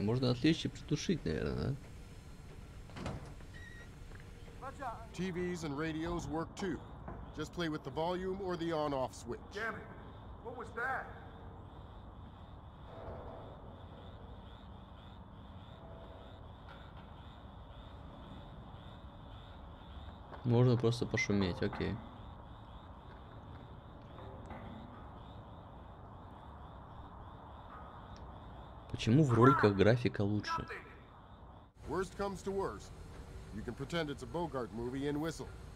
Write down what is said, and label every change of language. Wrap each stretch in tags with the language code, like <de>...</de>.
<ru>Можно отвлечь и притушить, наверное, да?</ru> <en>TVs and radios work too. Just play with the volume or the on-off switch. Damn it. What was that?</en> <ru>Можно просто пошуметь, окей. Почему в роликах графика лучше?</ru> <en>Worst comes to worst. You can pretend it's a Bogart movie and whistle.</en>